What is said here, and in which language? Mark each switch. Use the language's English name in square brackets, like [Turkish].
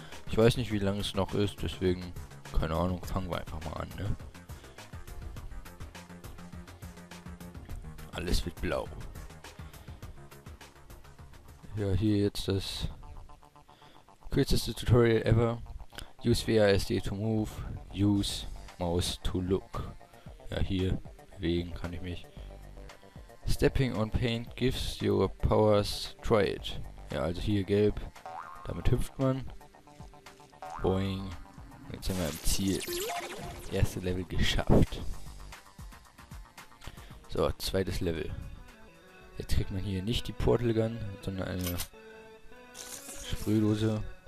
[German] Ich weiß nicht, wie lange es noch ist, deswegen, keine Ahnung, fangen wir einfach mal an, ne? Alles wird blau. Ja, hier jetzt das kürzeste Tutorial ever. [English] Use WASD to move, use mouse to look. [German] Ja, hier bewegen kann ich mich. [English] Stepping on paint gives your powers, try it. [German] Ja, also hier gelb, damit hüpft man. Boing, jetzt sind wir am Ziel. Erste Level geschafft. So, zweites Level. Jetzt kriegt man hier nicht die Portal Gun, sondern eine Sprühdose.